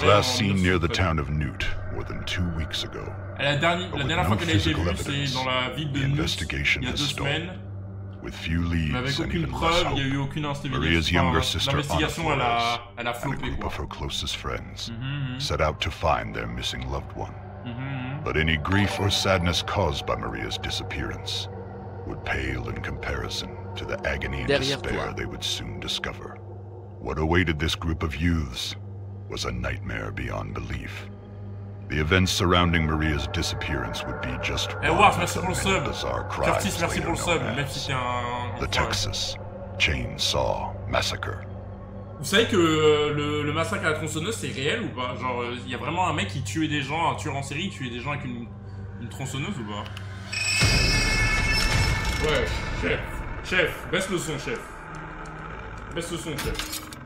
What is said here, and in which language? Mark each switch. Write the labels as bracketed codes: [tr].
[en] She was last seen near the town of Newt more than 2 weeks ago. [fr] La dernière fois qu'elle a été vue, c'est dans la ville de Newt, il y a 2 semaines. [en] With few leads, [fr] mais avec aucune [en] and [fr] preuve, il n'y a eu aucune investigation. L'investigation, elle a flopé. [en] A group of her closest friends set out to find their missing loved one. But any grief or sadness caused by Maria's disappearance would pale in comparison to the agony and despair they would soon discover. What awaited this group of youths was a nightmare beyond belief. The events surrounding Maria's disappearance would be just one of the many bizarre crimes later known as the Texas Chainsaw Massacre. [fr] Vous savez que le massacre à la tronçonneuse, c'est réel ou pas? Genre, il y a vraiment un mec qui tuait des gens, un tueur en série, qui tuait des gens avec une tronçonneuse ou pas? Ouais, chef, chef, baisse le son, chef. Baisse le son, chef.